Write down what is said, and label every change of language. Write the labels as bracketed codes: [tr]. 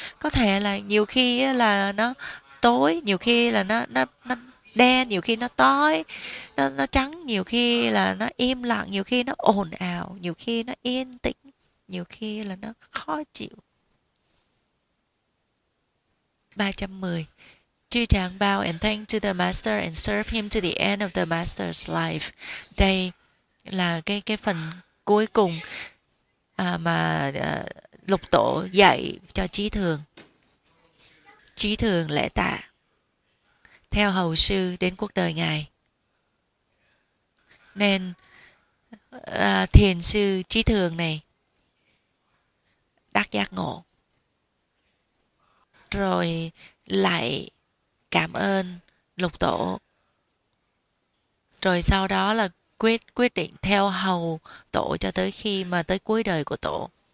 [vi] Có thể là nhiều khi là nó tối, nhiều khi là nó đen, nhiều khi nó tối, nó trắng, nhiều khi là nó im lặng, nhiều khi nó ồn ào, nhiều khi nó yên tĩnh, nhiều khi là nó khó chịu. 310. [en] Chư chàng bow and thank to the master and serve him to the end of the master's life. [vi] Đây là cái phần cuối cùng mà lục tổ dạy cho trí thường. Trí thường lễ tạ theo hầu sư đến cuộc đời ngài. Nên thiền sư trí thường này đắc giác ngộ rồi lại cảm ơn lục tổ, rồi sau đó là quyết quyết định theo hầu tổ cho tới khi mà tới cuối đời của tổ.